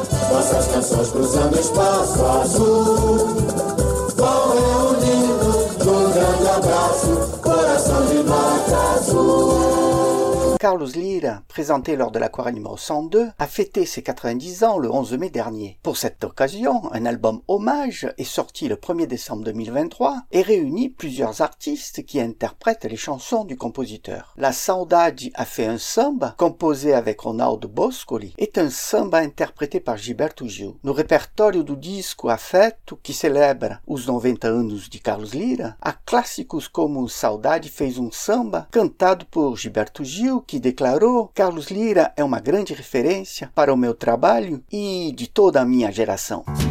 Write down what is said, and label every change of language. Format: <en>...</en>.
<pt>Nossas canções cruzando espaço azul vão reunindo num grande abraço.</pt> <fr>Carlos Lira, présenté lors de la Corée numéro 102, a fêté ses 90 ans le 11 mai dernier. Pour cette occasion, un album hommage est sorti le 1er décembre 2023 et réunit plusieurs artistes qui interprètent les chansons du compositeur. La Saudade a fait un samba, composé avec Ronaldo Boscoli, est un samba interprété par Gilberto Gil.</fr> <pt>No repertório do disco A Feto, que celebra os 90 anos de Carlos Lira, há clássicos como Saudade fez um samba, cantado por Gilberto Gil, que declarou: Carlos Lira é uma grande referência para o meu trabalho e de toda a minha geração.</pt>